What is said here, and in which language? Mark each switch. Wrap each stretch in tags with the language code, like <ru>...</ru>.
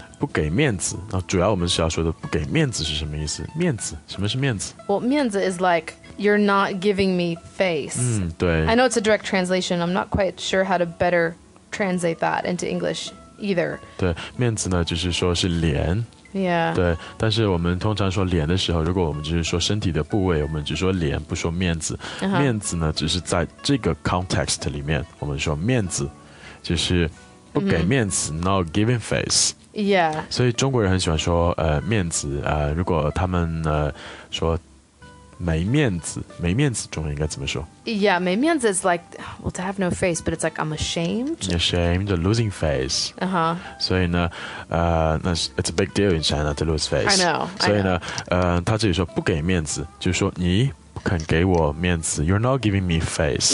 <zh>不给面子那主要我们是要说的不给面子是什么意思面子什么是面子</zh> <en>well 面子 is likeYou're not giving me face、</en> <zh>嗯、对</zh> <en>I know it's a direct translation I'm not quite sure how to betterTranslate that into English either.</en> <zh>对，面子呢，就是说是脸。</zh> <en>Yeah.</en> <zh>对，但是我们通常说脸的时候，如果我们就是说身体的部位，我们只说脸，不说面子。 Uh-huh. 面子呢，只是在这个 context 里面，我们说面子，就是不给面子、mm-hmm.</zh> <en>，not giving face. Yeah.</en> <zh>所以中国人很喜欢说面子如果他们说。没面子，没面子，中文应该怎么说</zh> <en>？Yeah, 没面子 is like, well, to have no face, but it's like I'm ashamed. Ashamed, losing face. Uh huh.</en> <zh>所以呢，</zh> <en>it's a big deal in China to lose face. I know.</en> <zh>所以呢，他这里说不给面子，就是说你不肯给我面子 ，</zh> <en>you're not giving me face.</en>